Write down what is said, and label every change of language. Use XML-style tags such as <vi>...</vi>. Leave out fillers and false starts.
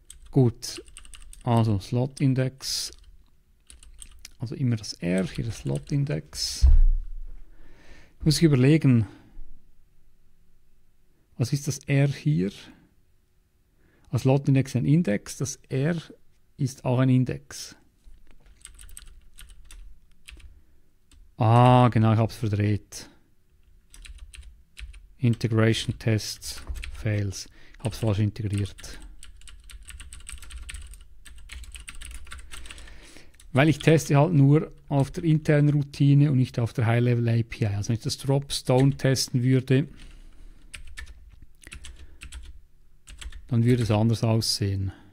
<de>Gut. Also Slot Index. Also immer das R, hier das Slot Index. Ich muss überlegen. Was ist das R hier? Als Slot Index ein Index, das R ist auch ein Index. Ah, genau, ich habe es verdreht.</de> <en>Integration Tests fails.</en> <de>Ich habe es falsch integriert. Weil ich teste halt nur auf der internen Routine und nicht auf der High-Level API. Also wenn ich das Drop-Down testen würde, dann würde es anders aussehen.</de>